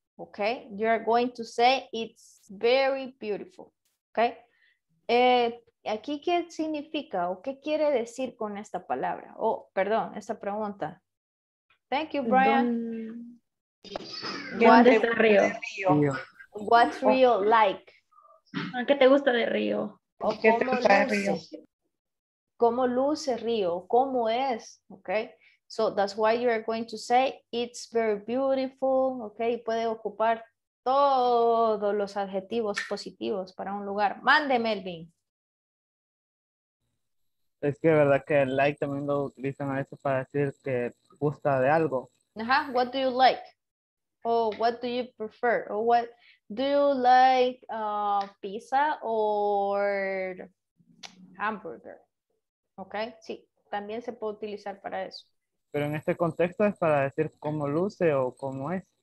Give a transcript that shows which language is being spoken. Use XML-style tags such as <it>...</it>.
<en>Okay, you're going to say it's very beautiful.</en> <es>Okay, aquí qué significa o qué quiere decir con esta palabra o perdón, esta pregunta.</es> <en>Thank you, Brian.</en> <es>¿Dónde está Río?</es> <en>What's Río like?</en> <es>¿Qué te gusta de Río? ¿Qué te gusta de Río? ¿Cómo luce Río? ¿Cómo es? Okay.</es> <en>So that's why you are going to say it's very beautiful. Okay.</en> <es>Puede ocupar todos los adjetivos positivos para un lugar. Mande, Melvin. Es que verdad que el like también lo utilizan a veces para decir que gusta de algo. Ajá,</es> <en>uh-huh. What do you like? Oh, what do you prefer? Or what do you like, pizza or hamburger? Okay,</en> <es>sí, también se puede utilizar para eso. Pero en este contexto es para decir cómo luce o cómo es.</es>